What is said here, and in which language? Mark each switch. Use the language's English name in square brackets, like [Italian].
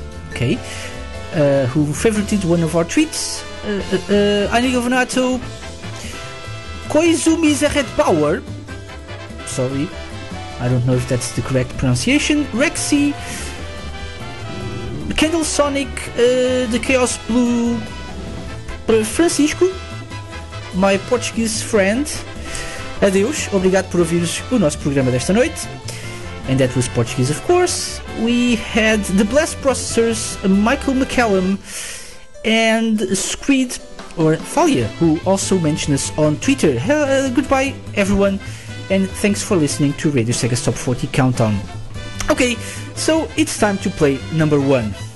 [English] okay, who favorited one of our tweets, Ani Governato, Koizumi Zeretbauer, sorry, I don't know if that's the correct pronunciation, Rexy, Kendall Sonic, the Chaos Blue, Francisco, my Portuguese friend. [Portuguese] Adeus, obrigado por ouvir o nosso programa desta noite. [English] And that was Portuguese, of course. We had the Blast Processors, Michael McCallum, and Squid, or Falia, who also mentioned us on Twitter. Goodbye, everyone, and thanks for listening to Radio Sega's Top 40 Countdown. Okay, so it's time to play number one.